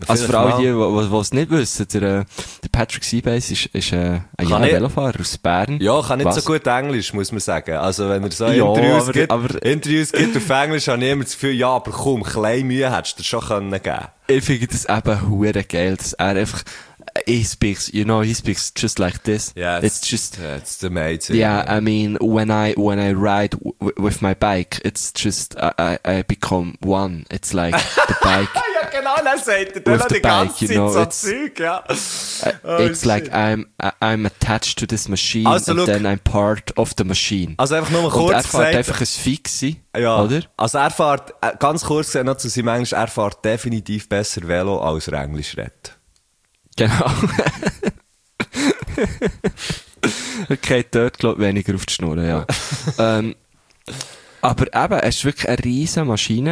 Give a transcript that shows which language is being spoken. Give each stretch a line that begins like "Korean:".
German: man also für alle die, die es nicht wissen, der Patrick Seabass ist ein Velofahrer aus Bern. Ja, kann nicht was? So gut Englisch, muss man sagen. Also wenn er so Interviews gibt auf Englisch, habe ich immer das Gefühl, ja, aber komm, kleine Mühe hättest du dir schon können geben. Ich finde das eben huere geil, dass er einfach,
English: he speaks just like this. Yeah, it's amazing. Yeah, I mean, when I ride with my bike, it's just, I become one. It's like the bike.
German: Genau, dann sagt er die ganze Zeit so Zeug, ja.
English: It's like I'm attached to this machine and then I'm part of the machine.
German: Also einfach nur kurz gesagt. Er fährt einfach ein Fixie, oder? Also er fährt, ganz kurz gesagt noch zu seinem Englisch, er fährt definitiv besser Velo, als er Englisch redet. Genau. Okay, dort glaubt weniger auf die Schnur, ja. aber eben, er ist wirklich eine riesige Maschine.